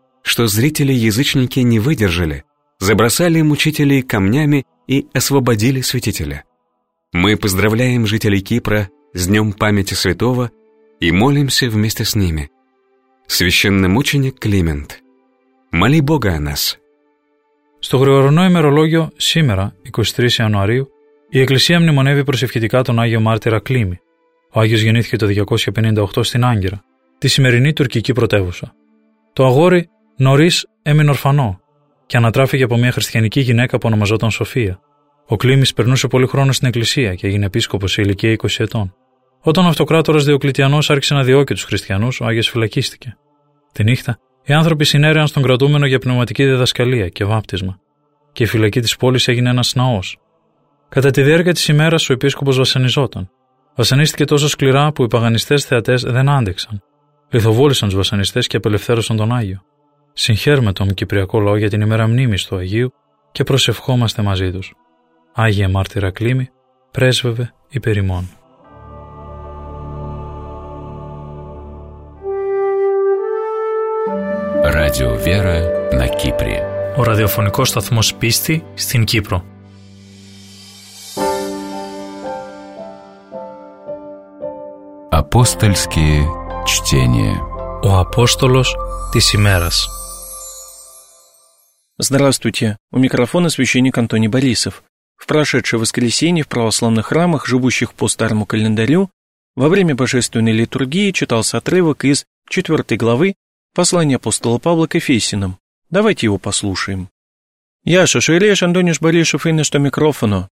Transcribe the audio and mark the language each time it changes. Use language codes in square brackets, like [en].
[ru] что зрители-язычники не выдержали, забросали мучителей камнями и освободили святителя. Мы поздравляем жителей Кипра с Днем памяти святого и молимся вместе с ними. Священномученик Климент, моли Бога о нас. [el] Στο γρηγορινό ημερολόγιο σήμερα, 23 Ιανουαρίου, η Εκκλησία μνημονεύει προσευχητικά τον Άγιο Μάρτυρα Κλήμη. Ο Άγιος γεννήθηκε το 258 στην Άγκυρα, τη σημερινή τουρκική πρωτεύουσα. Το αγόρι νωρίς έμεινε ορφανό και ανατράφηκε από μια χριστιανική γυναίκα που ονομαζόταν Σοφία. Ο Κλήμης περνούσε πολύ χρόνο στην Εκκλησία και έγινε επίσκοπος σε ηλικία 20 ετών. Όταν ο αυτοκράτορας Διοκλητιανός άρχισε να διώκει τους χριστιανούς, ο Άγιος φυλακίστηκε. Τη νύχτα, οι άνθρωποι συνέρεαν στον κρατούμενο για πνευματική διδασκαλία και βάπτισμα, και η φυλακή της πόλης έγινε ένας ναός. Κατά τη διάρκεια της ημέρας ο επίσκοπος βασανιζόταν. Βασανίστηκε τόσο σκληρά που οι παγανιστές θεατές δεν άντεξαν. Λιθοβόλησαν τους βασανιστές και απελευθέρωσαν τον Άγιο. Συγχαίρμετο με κυπριακό λαό για την ημέρα μνήμης του Αγίου και προσευχόμαστε μαζί τους. Άγιε Μάρτυρα Κλήμη, πρέσβευε υπέρ ημών. [ru] Radio Vera на Кипре. [el] Ο ραδιοφωνικός σταθμός πίστη στην Κύπρο. [ru] Апостольские чтения. [el] Ο Апостολος της ημέρας. [ru] Здравствуйте. У микрофона священник Антоний Борисов. В прошедшее воскресенье в православных храмах, живущих по старому календарю, во время божественной литургии читался отрывок из 4 главы Послание апостола Павла к Ефесянам. Давайте его послушаем. Яша Шереш Антониш Борисов и на что микрофону.